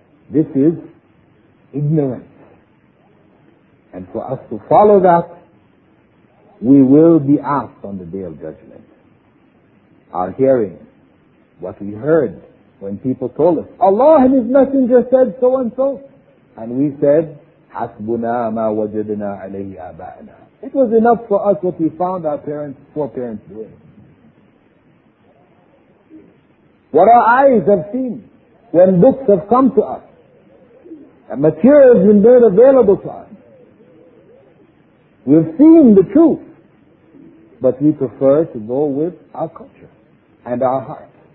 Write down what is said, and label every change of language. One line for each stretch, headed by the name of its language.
English: This is ignorance. And for us to follow that, we will be asked on the Day of Judgment. Our hearing, what we heard when people told us, Allah and His Messenger said so and so. And we said,
Arabic: حَسْبُنَا مَا وَجَدْنَا عَلَيْهِ آبَاءَنَا.
English: It was enough for us what we found our parents, foreparents doing. What our eyes have seen when books have come to us, and material has been made available to us. We've seen the truth, but we prefer to go with our culture and our heart.